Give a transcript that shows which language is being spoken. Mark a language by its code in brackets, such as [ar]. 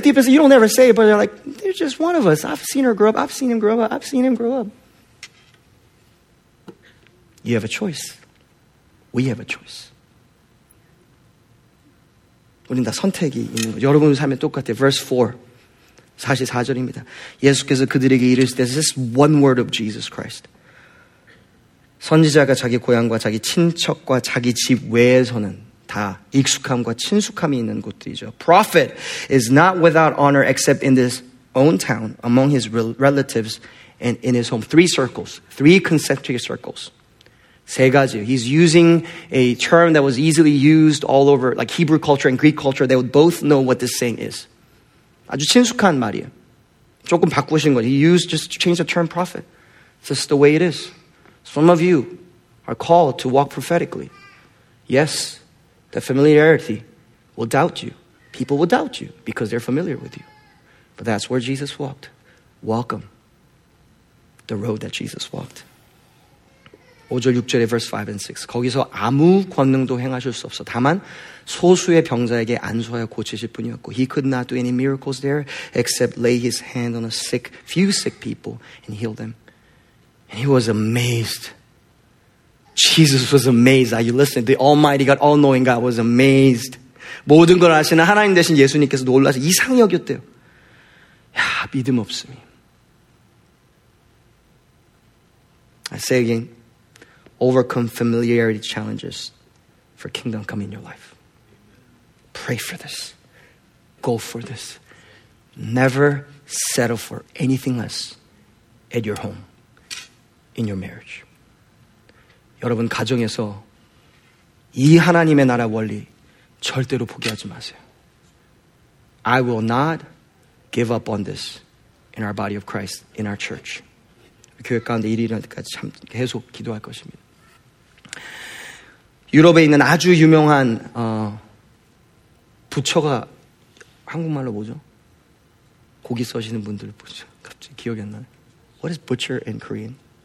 [en] Deep as you don't ever say it, but they're like, they're just one of us. I've seen her grow up. I've seen him grow up. I've seen him grow up. You have a choice. We have a choice. [ko] 우린 다 선택이 있는 거죠. 여러분의 삶에 똑같아요. [en] Verse 4. [ko] 44절입니다. 예수께서 그들에게 이르시되, [en] this is one word of Jesus Christ. [ko] 선지자가 자기 고향과 자기 친척과 자기 집 외에서는 다 익숙함과 친숙함이 있는 곳들이죠. [en] Prophet is not without honor except in his own town, among his relatives, and in his home. Three circles, three concentric circles. [ko] 세 가지. [en] He's using a term that was easily used all over, like Hebrew culture and Greek culture. They would both know what this saying is. [ko] 아주 친숙한 말이에요. 조금 바꾸신 거예요. [en] He used just to change the term prophet. It's just the way it is. Some of you are called to walk prophetically. Yes, that familiarity will doubt you. People will doubt you because they're familiar with you. But that's where Jesus walked. Welcome the road that Jesus walked. [ko] 5절, 6절의 [en] verse 5 and 6. [ko] 거기서 아무 권능도 행하실 수 없어. 다만 소수의 병자에게 안수하여 고치실 뿐이었고 [en] He could not do any miracles there except lay his hand on a sick, few sick people and heal them. And he was amazed. Jesus was amazed. Are you listening? The Almighty God, all-knowing God was amazed. [ko] 모든 걸 아시는 하나님 대신 예수님께서 놀라서 이상히 여겼대요. 야, 믿음 없음이. [en] I say again, overcome familiarity challenges for kingdom come in your life. Pray for this. Go for this. Never settle for anything less at your home, in your marriage. [ko] 여러분 가정에서 이 하나님의 나라 원리 절대로 포기하지 마세요. [en] I will not give up on this in our body of Christ, in our church. [ko] 교회 가운데 일이 일어날 때까지 참 계속 기도할 것입니다. 유럽에 있는 아주 유명한 부처가 한국말로 뭐죠? 고기 써시는 분들 부처. 갑자기 기억이 안 나네. [en] What is butcher in Korean?